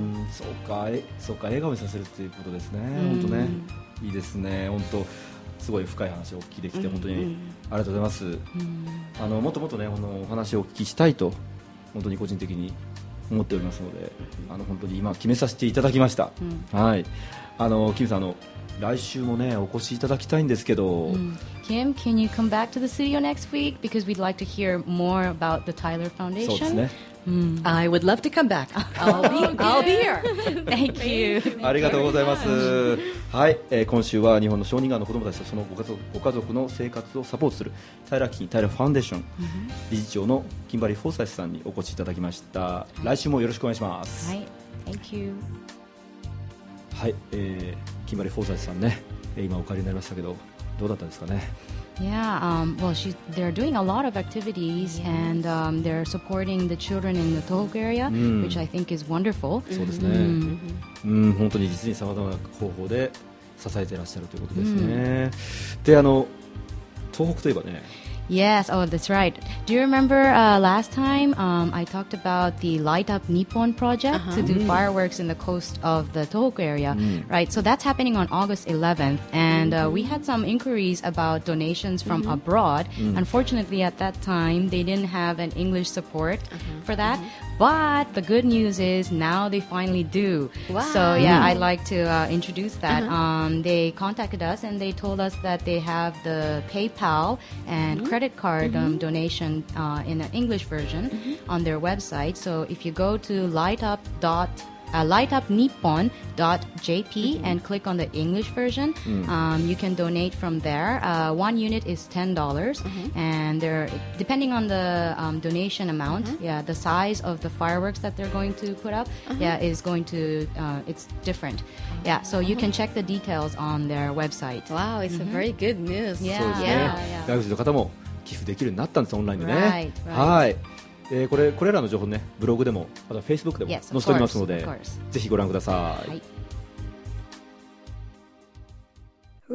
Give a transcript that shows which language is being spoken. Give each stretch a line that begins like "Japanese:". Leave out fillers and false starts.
Japanese: そうか、そうか、笑顔にさせるということですね、本当ね、いいですね、本当すごい深い話をお聞きできて本当にありがとうございます、あのもっともっと、ね、あのお話をお聞きしたいと本当に個人的に思っておりますので、あの本当に今決めさせていただきました、はい、あのキムさん、あの来週も、ね、お越しいただきたいんですけど、
English: Kim, can you come back to the studio next week? Because we'd like to hear more about the Tyler Foundation.
Japanese: そうですね。
English: I would love to come back. I'll be here. Thank you.
Japanese: ありがとうございます。はい、今週は日本の小児がんの子どもたちとそのご家族の生活をサポートするタイラ基金、タイラファンデーション理事長のキンバリー・フォーサイスさんにお越しいただきました。来週もよろしくお願いします。はい、
English: Thank you.
Japanese: はい、キンバリー・フォーサイスさんね、今お帰りになりましたけど、どうだったですかね。
English: Yeah, well, they're doing a lot of activities, yes. And they're supporting the children in the Tohoku area, which I think is wonderful.
Japanese: そうですね。本当に実に様々な方法で支えていらっしゃるということですね。で、あの東北といえばね。
English: Yes, oh, that's right. Do you remember last time I talked about the Light Up Nippon project to do fireworks in the coast of the Tohoku area, right? So that's happening on August 11th, and we had some inquiries about donations from abroad. Unfortunately, at that time, they didn't have an English support for that. But the good news is now they finally do. Wow. So yeah, I'd like to introduce that. They contacted us and they told us that they have the PayPal and credit card donation in an English version on their website. So if you go to lightupnippon.jp and click on the English version, you can donate from there. One unit is $10, and they're depending on the donation amount. Yeah, the size of the fireworks that they're going to put up, yeah, is going to it's different. Yeah, so you can check the details on their website. Wow, it's a very good news. Yeah, yeah.
Japanese: 外国人の方も寄付できるようになったんです、オンラインでね。はい。これらの情報ね、ブログでもまたフェイスブックでも載せておきますので、ぜひご覧ください。